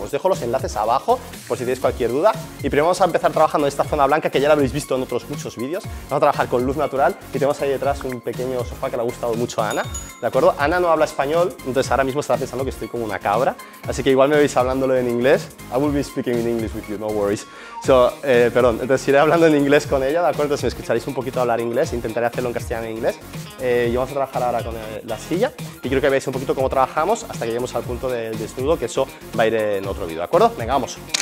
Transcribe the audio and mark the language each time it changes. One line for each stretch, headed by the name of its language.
Spanish: Os dejo los enlaces abajo por si tenéis cualquier duda. Y primero vamos a empezar trabajando esta zona blanca que ya la habréis visto en otros muchos vídeos. Vamos a trabajar con luz natural y tenemos ahí detrás un pequeño sofá que le ha gustado mucho a Ana, ¿de acuerdo? Ana no habla español, entonces ahora mismo estará pensando que estoy como una cabra, así que igual me veis hablándolo en inglés.
English: I will be speaking in English with you, no worries.
Spanish: So, perdón, entonces iré hablando en inglés con ella, ¿de acuerdo? Si me escucharéis un poquito hablar inglés, intentaré hacerlo en castellano e inglés. Yo vamos a trabajar ahora con la silla y quiero que veáis un poquito cómo trabajamos hasta que lleguemos al punto del desnudo, que eso va a ir en otro vídeo, ¿de acuerdo? Venga, vamos.